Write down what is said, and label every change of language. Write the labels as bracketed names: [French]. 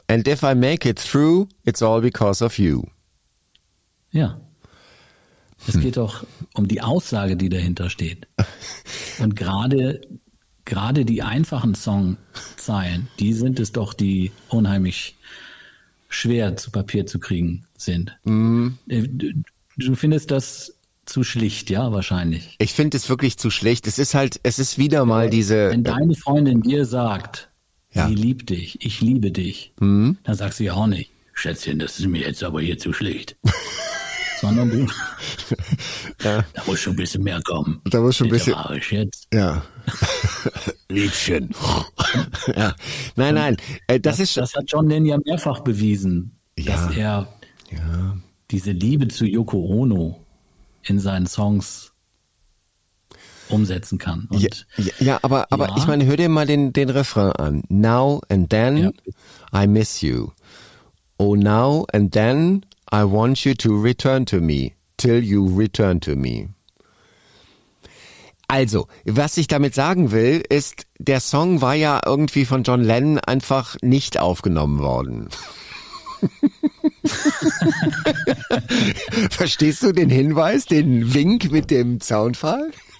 [English] And if I make it through, it's all because of you. [German] Ja. Es geht doch um die Aussage, die dahinter steht. Und gerade die einfachen Songzeilen, die sind es doch, die unheimlich schwer zu Papier zu kriegen sind. Mm. Du findest das zu schlicht, ja, wahrscheinlich. Ich finde es wirklich zu schlecht. Es ist halt, es ist wieder mal diese... Wenn deine Freundin dir sagt, ja, sie liebt dich, ich liebe dich, mm, dann sagst du ja auch nicht, Schätzchen, das ist mir jetzt aber hier zu schlicht. Sondern du, ja, da muss schon ein bisschen mehr kommen. Da muss schon ein bisschen... Mach ich jetzt. Ja. Liedchen. Ja. Nein, nein. Das hat John Lennon ja mehrfach bewiesen, ja, dass er, ja, diese Liebe zu Yoko Ono in seinen Songs umsetzen kann. Und ja, ja, aber ja, ich meine, hör dir mal den Refrain an. [English] Now and then, [German] ja, [English] I miss you. Oh, now and then I want you to return to me, till you return to me. [German] Also, was ich damit sagen will, ist, der Song war ja irgendwie von John Lennon einfach nicht aufgenommen worden. Verstehst du den Hinweis, den Wink mit dem Zaunfall?